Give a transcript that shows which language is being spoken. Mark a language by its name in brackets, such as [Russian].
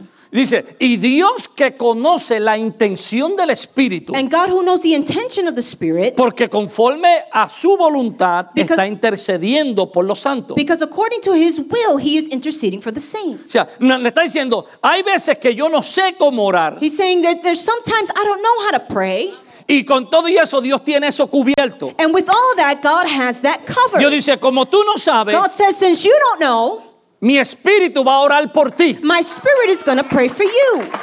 [Spanish] Dice, y Dios que conoce la intención del Espíritu. [English] And God who knows the intention of the Spirit. [Spanish] Porque conforme a su voluntad está intercediendo por los santos. [English] Because according to his will, he is interceding for the saints. [Spanish] O sea, me está diciendo, hay veces que yo no sé cómo orar. [English] He's saying that there's sometimes I don't know how to pray. [Spanish] Y con todo y eso, Dios tiene eso cubierto. [English] And with all that, God has that covered. [Spanish] Dios dice, como tú no sabes. [English] God says, since you don't know. [Spanish] Mi espíritu va a orar por ti. [English] My spirit is going to pray for you.